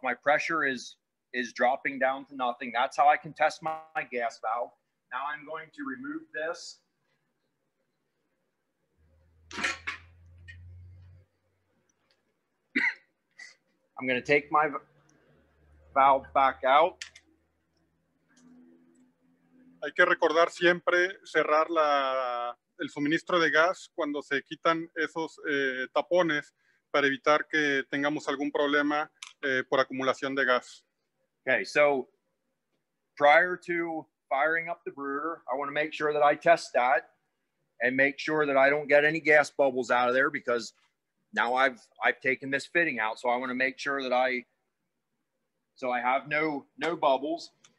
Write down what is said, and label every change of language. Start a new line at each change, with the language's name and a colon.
English: My pressure is dropping down to nothing. That's how I can test my gas valve. Now I'm going to remove this. I'm going to take my valve back out.
Spanish: Hay que recordar siempre cerrar la el suministro de gas cuando se quitan esos tapones para evitar que tengamos algún problema por acumulación de gas.
English: Okay, so prior to firing up the brooder, I want to make sure that I test that and make sure that I don't get any gas bubbles out of there because now I've taken this fitting out, so I want to make sure that I have no bubbles.